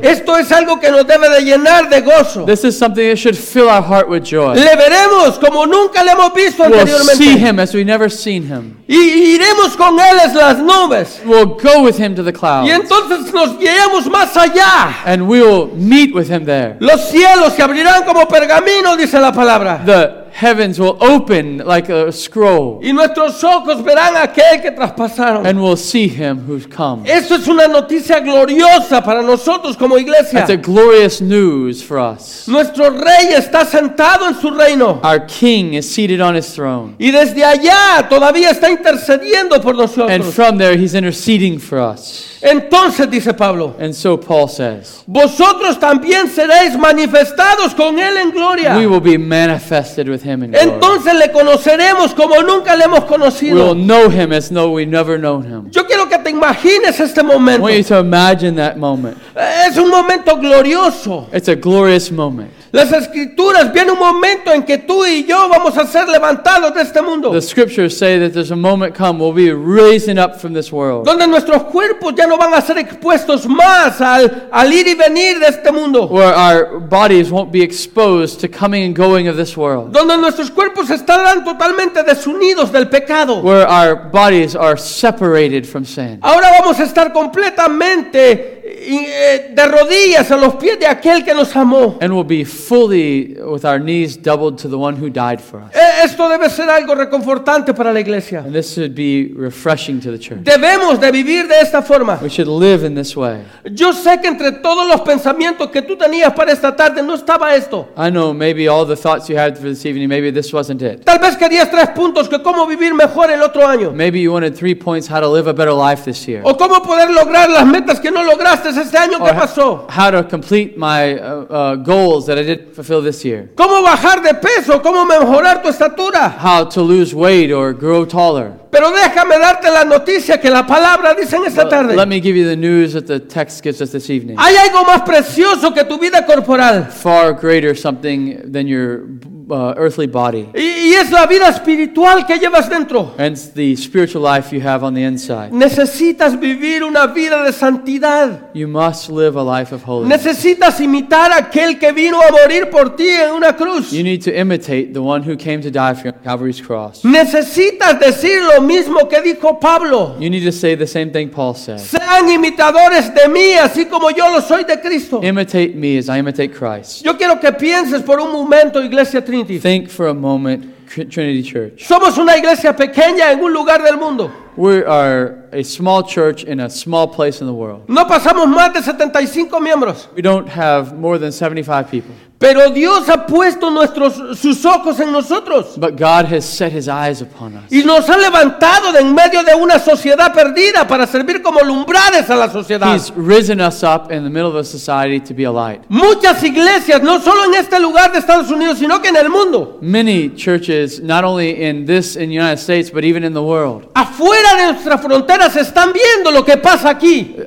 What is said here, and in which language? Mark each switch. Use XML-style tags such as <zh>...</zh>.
<es>Esto es algo que nos debe de llenar de gozo.</es> <en>This is something that should fill our heart with joy.</en> <es>Le veremos como nunca le hemos visto anteriormente.</es> <en>We'll see him as we never seen him.</en> <es>Y iremos con él en las nubes.</es> <en>We'll go with him to the clouds.</en> <es>Y entonces nos guiamos más allá.</es> <en>And we'll meet with him there.</en> <es>Los cielos se abrirán como pergamino, dice la palabra.</es> <en>The heavens will open like a scroll.</en> <es>Y nuestros ojos verán aquel que traspasaron.</es> <en>And we'll see him who's come.</en> <es>Eso es una noticia gloriosa para nosotros como iglesia.</es> <en>That's a glorious news for us.</en> <es>Nuestro rey está sentado en su reino.</es> <en>Our king is seated on his throne.</en> <es>Y desde allá todavía está intercediendo por nosotros.</es> <en>And from there he's interceding for us.</en> <es>Entonces dice Pablo.</es> <en>And so Paul says.</en> <es>Vosotros también seréis manifestados con él en gloria.</es> <en>We will be manifested with him in glory.</en> <es>Entonces le conoceremos como nunca le hemos conocido.</es> <en>We'll know him as though we never known him.</en> <es>Yo quiero que te imagines este momento.</es> <en>I want you to imagine that moment.</en> <es>Es un momento glorioso.</es> <en>It's a glorious moment.</en> <es>Las escrituras viene un momento en que tú y yo vamos a ser levantados de este mundo.</es> <en>The scriptures say that there's a moment come we'll be raising up from this world.</en> <es>Donde nuestros cuerpos ya no van a ser expuestos más al ir y venir de este mundo.</es> <en>Where our bodies won't be exposed to coming and going of this world.</en> <es>Donde nuestros cuerpos estarán totalmente desunidos del pecado.</es> <en>Where our bodies are separated from sin.</en> <es>Ahora vamos a estar completamente de rodillas a los pies de aquel que nos amó.</es> <en>And we'll be fully with our knees doubled to the one who died for us.</en> <es>Esto debe ser algo reconfortante para la iglesia.</es> <en>And this should be refreshing to the church.</en> <es>Debemos de vivir de esta forma.</es> <en>We should live in this way.</en> <es>Yo sé que entre todos los pensamientos que tú tenías para esta tarde no estaba esto.</es> <en>I know maybe all the thoughts you had for this evening, maybe this wasn't it.</en> <es>Tal vez querías tres puntos que cómo vivir mejor el otro año.</es> <en>Maybe you wanted 3 points how to live a better life this year.</en> <es>O cómo poder lograr las metas que no lograste este año que pasó?</es> <en>How to complete my goals that I didn't fulfill this year?</en> <es>¿Cómo bajar de peso? ¿Cómo mejorar tu estatura?</es> <en>How to lose weight or grow taller?</en> <es>Pero déjame darte la noticia que la palabra dice en esta tarde.</es> <en>Let me give you the news that the text gives us this evening.</en> <es>Hay algo más precioso que tu vida corporal.</es> <en>Far greater something than your earthly body.</en> <es>Y es la vida espiritual que llevas dentro.</es> <en>And it's the spiritual life you have on the inside.</en> <es>Necesitas vivir una vida de santidad.</es> <en>You must live a life of holiness.</en> <es>Necesitas imitar aquel que vino a morir por ti en una cruz.</es> <en>You need to imitate the one who came to die for you on Calvary's cross.</en> <es>Necesitas decir lo mismo que dijo Pablo.</es> <en>You need to say the same thing Paul said.</en> <es>Sean imitadores de mí, así como yo lo soy de Cristo.</es> <en>Imitate me as I imitate Christ.</en> <es>Yo quiero que pienses por un momento, Iglesia Trinity.</es> <en>Think for a moment, Trinity Church.</en> <es>Somos una iglesia pequeña en un lugar del mundo.</es> <en>We are a small church in a small place in the world.</en> <es>No pasamos más de 75 miembros.</es> <en>We don't have more than 75 people.</en> <es>Pero Dios ha puesto sus ojos en nosotros.</es> <en>But God has set his eyes upon us.</en> <es>Y nos ha levantado de en medio de una sociedad perdida para servir como lumbrares a la sociedad.</es> <en>He's risen us up in the middle of a society to be a light.</en> <es>Muchas iglesias, no solo en este lugar de Estados Unidos, sino que en el mundo.</es> <en>Many churches, not only in the United States, but even in the world.</en> <es>Afuera de nuestras fronteras están viendo lo que pasa aquí.</es>